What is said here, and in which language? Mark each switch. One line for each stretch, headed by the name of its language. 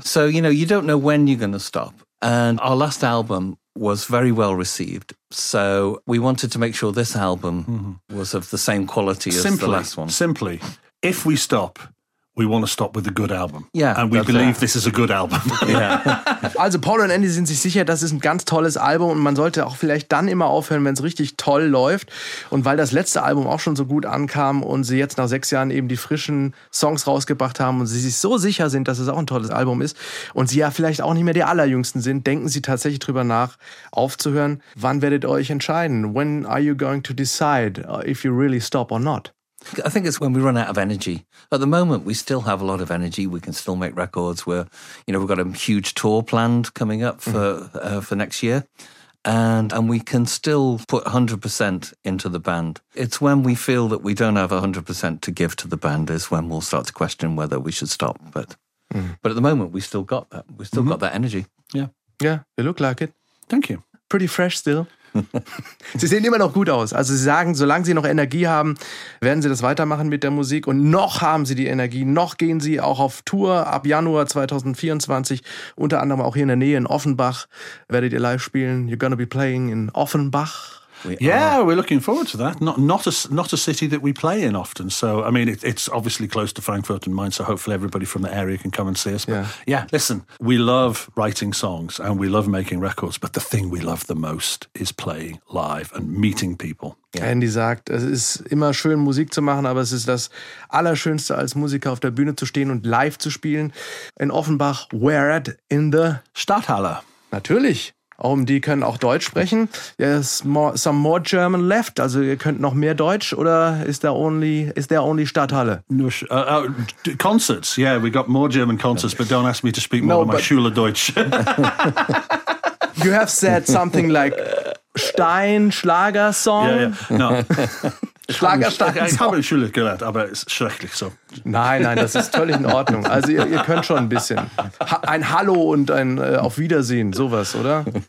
English: So, you know, you don't know when you're going to stop. And our last album was very well received. So we wanted to make sure this album was of the same quality as the last one. Simply, if we stop, we want to stop with a good album. Yeah, and we believe this is a good album. Yeah.
German: Also Paul und Andy sind sich sicher, das ist ein ganz tolles Album und man sollte auch vielleicht dann immer aufhören, wenn es richtig toll läuft. Und weil das letzte Album auch schon so gut ankam und sie jetzt nach 6 Jahren eben die frischen Songs rausgebracht haben und sie sich so sicher sind, dass es auch ein tolles Album ist und sie ja vielleicht auch nicht mehr die Allerjüngsten sind, denken sie tatsächlich drüber nach, aufzuhören. Wann werdet ihr euch entscheiden?
English: When are you going to decide if you really stop or not? I think it's when we run out of energy. At the moment, we still have a lot of energy. We can still make records. We're, you know, we've got a huge tour planned coming up for next year. And we can still put 100% into the band. It's when we feel that we don't have 100% to give to the band is when we'll start to question whether we should stop. But at the moment, we still got that. We still got that energy. Yeah. Yeah, they look like it. Thank you. Pretty fresh still.
German: Sie sehen immer noch gut aus. Also Sie sagen, solange Sie noch Energie haben, werden Sie das weitermachen mit der Musik. Und noch haben Sie die Energie, noch gehen Sie auch auf Tour ab Januar 2024. Unter anderem auch hier in der Nähe in Offenbach werdet ihr live spielen.
English: You're gonna be playing in Offenbach. We're looking forward to that. Not a city that we play in often. So, I mean, it's obviously close to Frankfurt and Mainz, so hopefully everybody from the area can come and see us. But yeah, listen, we love writing songs and we love making records, but the thing we love the most is playing live and meeting people. Yeah.
German: Andy sagt, es ist immer schön, Musik zu machen, aber es ist das Allerschönste, als Musiker auf der Bühne zu stehen und live zu spielen.
English: In Offenbach, where at? In the
German: Stadthalle. Natürlich. OMD können auch Deutsch sprechen.
English: There's some more German left.
German: Also ihr könnt noch mehr Deutsch oder
English: is there only
German: Stadthalle?
English: Concerts. Yeah, we got more German concerts, but don't ask me to speak more of my Schüler Deutsch. You have said something like Stein, Schlager Song. Yeah, yeah. No.
German: Schlagerstein. Ich habe in Schule gelernt, aber es ist schrecklich so. Nein, das ist völlig in Ordnung. Also ihr könnt schon ein bisschen. Ein Hallo und ein Auf Wiedersehen, sowas, oder?